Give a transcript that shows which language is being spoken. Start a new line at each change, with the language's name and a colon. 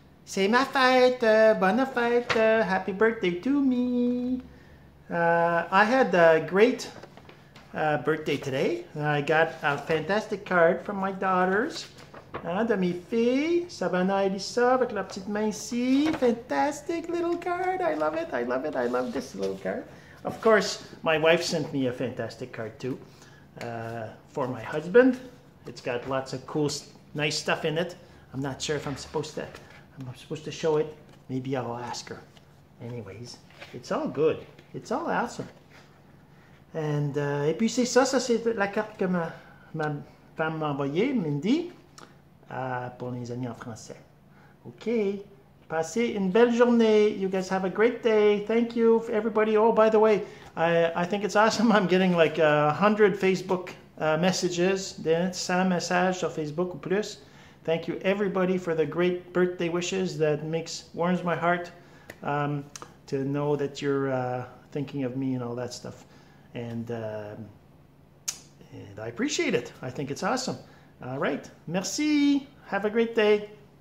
French: C'est ma fête, bonne fête,
English: happy birthday to me. I had a great birthday today. I got a fantastic card from my daughters.
French: Hein, de mes filles, Savannah et Lisa, avec la petite main ici.
English: Fantastic little card, I love it, I love it, I love this little card. Of course, my wife sent me a fantastic card too, for my husband. It's got lots of cool, nice stuff in it. I'm not sure if I'm supposed to show it. Maybe I'll ask her. Anyways, it's all good. It's all awesome.
French: And, et puis c'est ça, ça c'est la carte que ma femme m'a envoyée, Mindy, pour les amis en français. Okay. Passez une belle journée.
English: You guys have a great day. Thank you, everybody. Oh, by the way, I think it's awesome. I'm getting like 100 Facebook messages.
French: 100 messages sur Facebook ou plus.
English: Thank you, everybody, for the great birthday wishes. That makes warms my heart to know that you're thinking of me and all that stuff. And I appreciate it. I think it's awesome. All right. Merci. Have a great day.